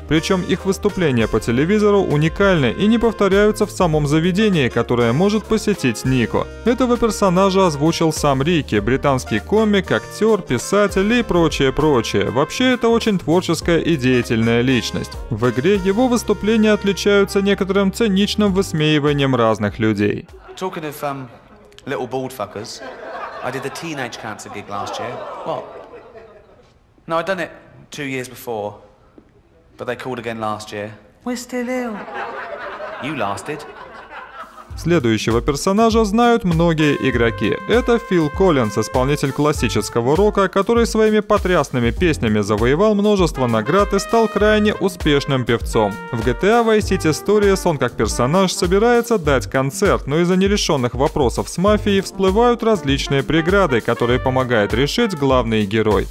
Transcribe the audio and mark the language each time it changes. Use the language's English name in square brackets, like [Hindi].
[Russian] Причем их выступления по телевизору уникальны и не повторяются в самом заведении, которое может посетить Нико. Этого персонажа озвучил сам Рики – британский комик, актер, писатель и прочее-прочее. Вообще это очень творческая и деятельная личность. В игре его выступления отличаются некоторым циничным высмеиванием разных людей. [English] Talking of little bald fuckers, I did the teenage cancer gig last year. What? No, I'd done it 2 years before, but they called again last year. We're still ill. You lasted. [Russian] Следующего персонажа знают многие игроки. Это Фил Коллинз, исполнитель классического рока, который своими потрясными песнями завоевал множество наград и стал крайне успешным певцом. В GTA Vice City Stories он как персонаж собирается дать концерт, но из-за нерешенных вопросов с мафией всплывают различные преграды, которые помогает решить главный герой.